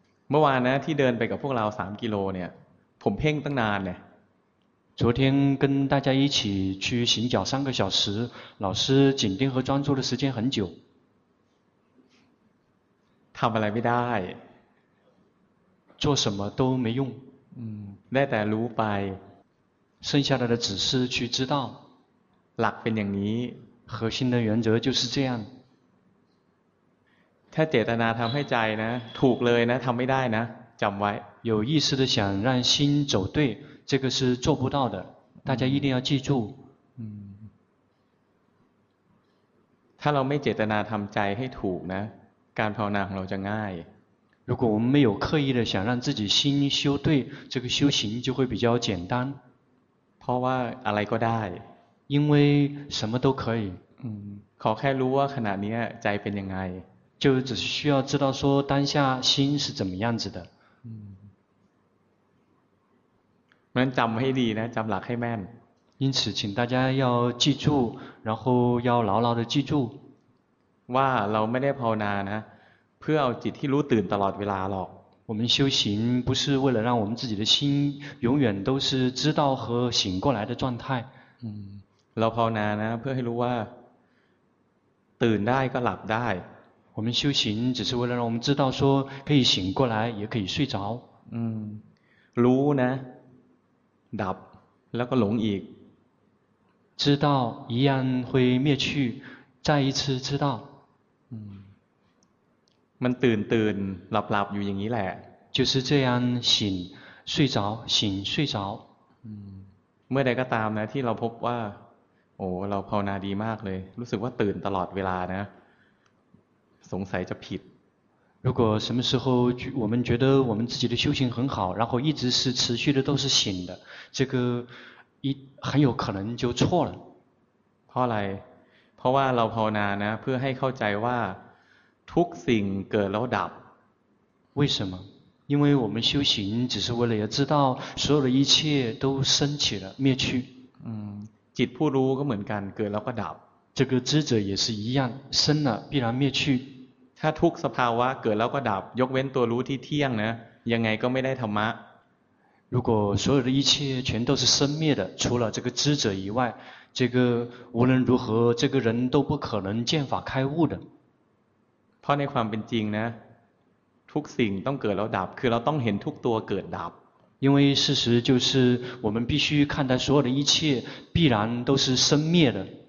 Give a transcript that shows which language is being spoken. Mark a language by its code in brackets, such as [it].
[th] เมื่อวานนะที่เดินไปกับพวกเรา3กิโลเนี่ย，ผมเพ่งตั้งนานเลย。 [zh] 昨天跟大家一起去行脚三个小时，老师紧盯和专注的时间很久。 [th] ทำอะไรไม่ได้ [zh] ，做什么都没用。 [th] ได้แต่รู้ไป， [zh] 剩下的只是去知道。 [th] หลักเป็นอย่างนี้， [zh] 核心的原则就是这样。 [th] ถ้าเจตนาทำให้ใจนะถูกเลยนะทำไม่ได้นะจำไว้ [zh] 。 有意识的想让心走对。这个是做不到的，大家一定要记住。 [th] ถ้าเราไม่เจตนาทำใจให้ถูกนะการภาวนาของเราจะง่าย。 [zh] 如果我们没有刻意的想让自己心修对，这个修行就会比较简单。 [th] เพราะว่าอะไรก็ได้。 [zh] 因为什么都可以。 [th] ขอแค่รู้ว่าขณะนี้ใจเป็นยังไง。 [zh] 就只需要知道说当下心是怎么样子的。 [th] มันจำให้ดีนะจำหลักให้แม่น [zh] 因此请大家要记住然后要牢牢的记住 [th] ว่าเราไม่ได้ภาวนานะเพื่อเอาจิตที่รู้ตื่นตลอดเวลาหรอก [zh] 我们修行不是为了让我们自己的心永远都是知道和醒过来的状态 [th] เราภาวนานะเพื่อให้รู้ว่าตื่นได้ก็หลับได้ [zh] 我们修行只是为了让我们知道说可以醒过来也可以睡着 [th] รู้นะดับแล้วก็หลงอีก [zh] 知道一样会灭去再一次知道 [th] มันตื่นตื่นหลับหลับอยู่อย่างนี้แหละ [zh] 就是这样醒睡着醒睡着 [th] เมื่อใดก็ตามนะที่เราพบว่าโอ้เราภาวนาดีมากเลยรู้สึกว่าตื่นตลอดเวลานะสงสัยจะผิด [zh] 如果什么时候我们觉得我们自己的修行很好然后一直是持续的都是醒的这个一很有可能就错了 [th] เพราะอะไรเพราะว่าเราภาวนานะเพื่อให้เข้าใจว่าทุกสิ่งเกิดแล้วดับ [zh] 为什么因为我们修行只是为了要知道所有的一切都升起了灭去 [th] จิตผู้รู้ก็เหมือนกันเกิดแล้วก็ดับ [zh] 这个知者也是一样生了必然灭去 [th] ถ้าทุกสภาวะเกิดแล้วก็ดับยกเว้นตัวรู้ที่เที่ยงนะยังไงก็ไม่ได้ธรรมะ [zh] 如果所有的一切全都是生灭的除了这个知者以外这个无论如何这个人都不可能见法开悟的 [th] เพราะในความเป็นจริงนะทุกสิ่งต้องเกิดแล้วดับคือเราต้องเห็นทุกตัวเกิดดับ [zh] 因为事实就是我们必须看待所有的一切必然都是生灭的